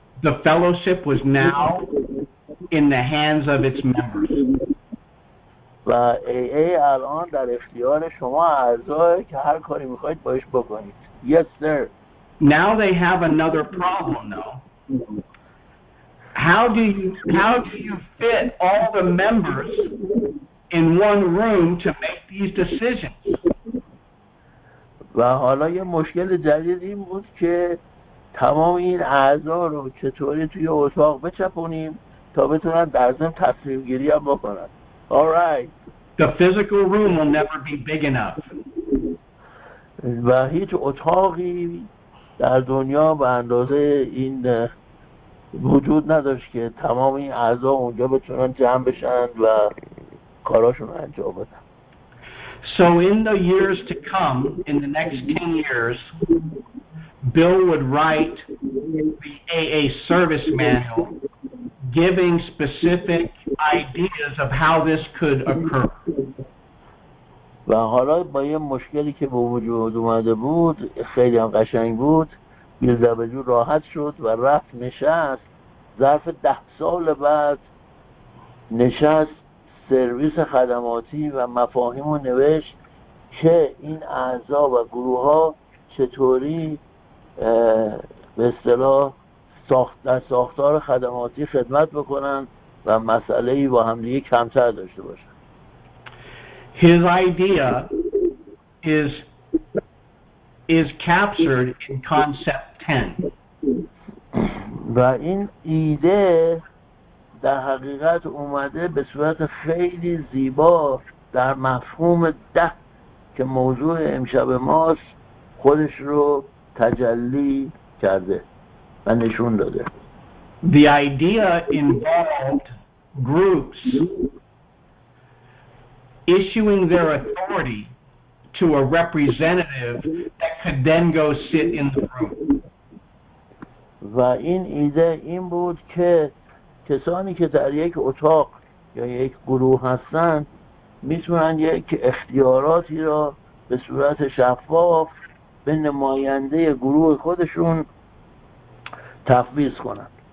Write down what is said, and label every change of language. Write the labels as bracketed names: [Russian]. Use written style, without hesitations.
[English] The fellowship was now in the hands of its members. [Persian] و AA الان در اختیار شما اعضای که هر کاری میخواید باش بکنید. [English] Yes sir. Now they have another problem though. How do you fit all the members in one room to make these decisions? [Persian] و حالا یه مشکل جدید این بود که تمام این اعضا رو چطوری توی اتاق بچپونیم تا بتونن در ضمن تصمیم گیری هم بکنن. [English] All right. The physical room will never be big enough. [Persian] و هیچ اتاقی در دنیا به اندازه این وجود نداشت که تمام این اعضا اونجا بتونن جمع بشن و کاراشون رو انجام بدن. [English] So in the years to come, in the next 10 years, Bill would write the AA service manual giving specific ideas of how this could occur. [Persian] و حالا با یه مشکلی که به وجود اومده بود، خیلی هم قشنگ بود، بیل دبلیو راحت شد و رفت نشست ظرف 10 سال بعد نشست سرویس خدماتی و مفاهیم رو نوشت که این اعضا و گروه ها چطوری به اصطلاح در ساختار خدماتی خدمت بکنن و مسئله ای با همدیگه کمتر داشته باشن. [English] His idea is captured in concept 10. [Persian] و این ایده در حقیقت اومده به صورت خیلی زیبا در مفهوم 10 که موضوع امشب ماست خودش رو تجلی کرده و نشون داده. [English] The idea involved groups issuing their authority to a representative that could then go sit in the room. [Persian] و این ایده این بود که کسانی که در یک اتاق یا یک گروه هستن میتونن یک اختیاراتی را به صورت شفاف به نماینده گروه خودشون تفویض کنن.